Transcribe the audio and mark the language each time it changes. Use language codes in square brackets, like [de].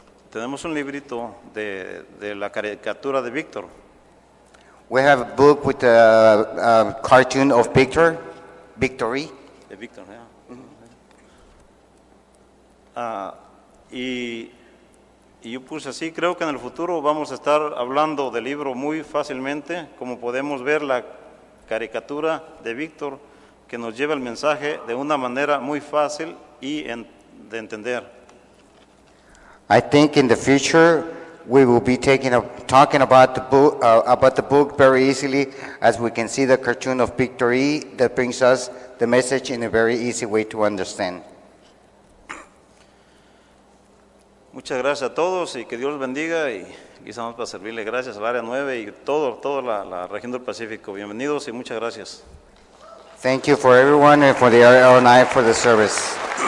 [es] Tenemos un librito de la caricatura de Víctor. [en] We have a book with a cartoon of Victor, Victory. [es] De Víctor, yeah. Y yo puse así, creo que en el futuro vamos a estar hablando del libro muy fácilmente, como podemos ver la caricatura de Víctor, que nos lleva el mensaje de una manera muy fácil y de entender. [en] I think in the future we will be talking about the book very easily, as we can see the cartoon of Victor E that brings us the message in a very easy way to understand. [es] Muchas gracias a todos y que Dios bendiga y estamos para servirle. Gracias al área 9 y toda la región del Pacífico. Bienvenidos y muchas gracias. [en] Thank you for everyone and for the area 9 for the service.